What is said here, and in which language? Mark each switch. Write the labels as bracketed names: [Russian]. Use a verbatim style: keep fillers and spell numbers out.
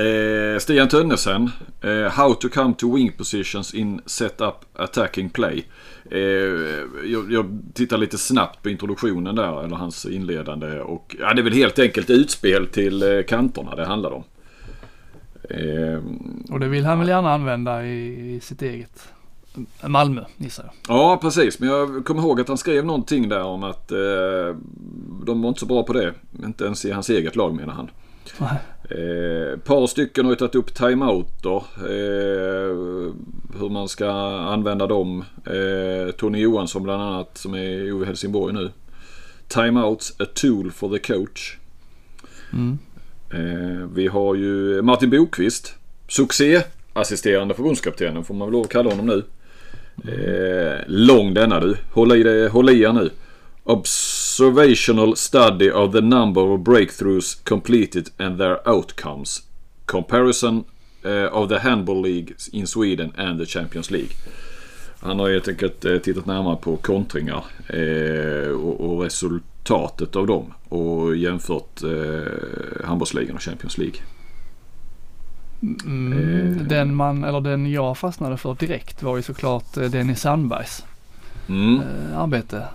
[English] Eh, Stian Tönnesen, eh, How to come to wing positions in setup attacking play. [Swedish] Eh, jag, jag tittar lite snabbt på introduktionen där, eller hans inledande. Och, ja, det är väl helt enkelt utspel till eh, kanterna det handlar om. Eh, och det vill han väl gärna använda i, i sitt eget Malmö, gissar jag. Ja, precis. Men jag kommer ihåg att han skrev någonting där om att eh, de var inte så bra på det. Inte ens i hans eget lag, menar han. Eh, par stycken har ju tagit upp timeouter. Eh, hur man ska använda dem. Eh, Tony Johansson bland annat, som är i Helsingborg nu. [English] Timeouts, a tool for the coach. [Swedish] Mm. Eh, vi har ju Martin Bokvist. Succé. Assisterande förbundskaptenen, får man väl lov att kalla honom nu. Eh, lång denna du. Håll i, det, håll i er nu. [English] Observational study of the number of breakthroughs completed and their outcomes. Comparison eh, of the handball league in Sweden and the Champions League. [Swedish] Han har helt enkelt eh, tittat närmare på kontringar eh, och, och resultatet av dem och jämfört eh, handbollsligan och Champions League. Mm, den man eller den jag fastnade för direkt var ju såklart Dennis Sandbergs mm. eh, arbete.